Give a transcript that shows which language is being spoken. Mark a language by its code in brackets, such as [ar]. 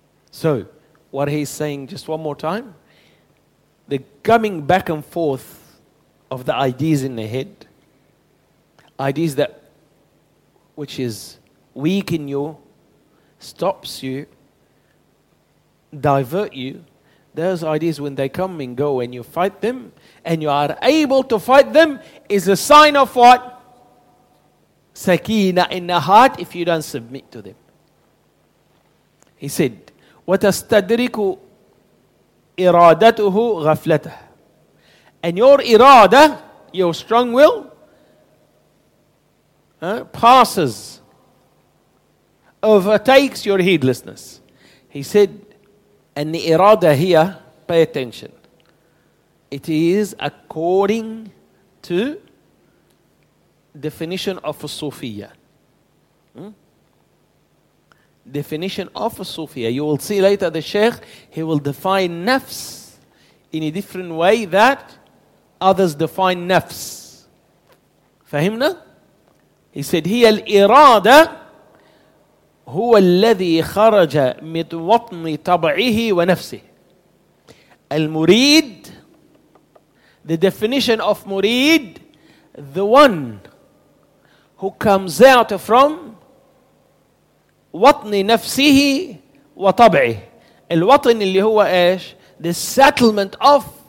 [en] So, what he's saying, just one more time, the coming back and forth of the ideas in the head, ideas that which is weak in you, stops you, divert you, those ideas when they come and go and you fight them, and you are able to fight them, is a sign of what? Sakina in the heart if you don't submit to them. He said, [ar] وَتَسْتَدْرِكُ إِرَادَتُهُ غَفْلَتَهُ. [en] And your irada, your strong will, passes, overtakes your heedlessness. He said, and the irada here, pay attention, it is according to definition of a Sufiya. Definition of a Sufiya. You will see later the Shaykh, he will define nafs in a different way that others define nafs. [ar] Fahimna? [en] He said, [ar] هي الإرادة هو الذي خرج من وطن طبعه ونفسه. [en] المريد, the definition of مريد, the one who comes out from [ar] وطني نفسه وطبعه. الوطن اللي هو ايش? [en] The settlement of